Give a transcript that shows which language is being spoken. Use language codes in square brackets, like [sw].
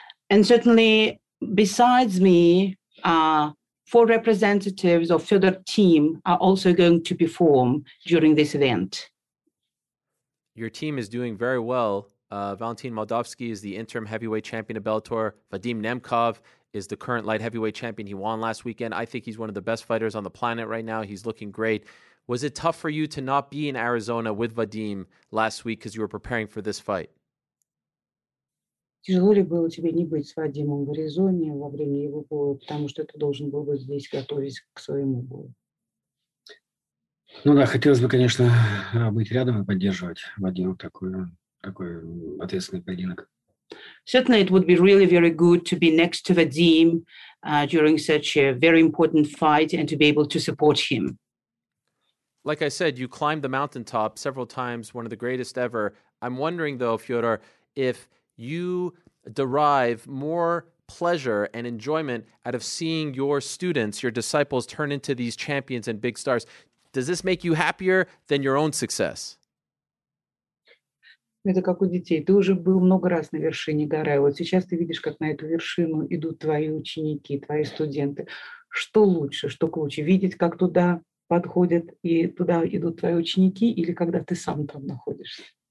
[en] And certainly, besides me, four representatives of Fedor team are also going to perform during this event. Your team is doing very well. Valentin Moldovsky is the interim heavyweight champion of Bellator. Vadim Nemkov is the current light heavyweight champion. He won last weekend. I think he's one of the best fighters on the planet right now. He's looking great. Was it tough for you to not be in Arizona with Vadim last week because you were preparing for this fight? [ru] Тяжело ли было тебе не быть с Вадимом в Аризоне во время его боя, потому что ты должен был быть здесь, готовясь к своему бою? Ну да, хотелось бы, конечно, быть рядом и поддерживать Вадима в такой ответственный поединок. [en] Certainly, it would be really very good to be next to Vadim during such a very important fight and to be able to support him. Like I said, you climbed the mountaintop several times, one of the greatest ever. I'm wondering, though, Fyodor, if you derive more pleasure and enjoyment out of seeing your students, your disciples, turn into these champions and big stars. Does this make you happier than your own success? [ru] Это как у детей. Ты уже был много раз на вершине горы. Вот сейчас ты видишь, как на эту вершину идут твои ученики, твои студенты. Что лучше? Что круче? Видеть, как туда подходят и туда идут твои ученики, или когда ты сам там находишься?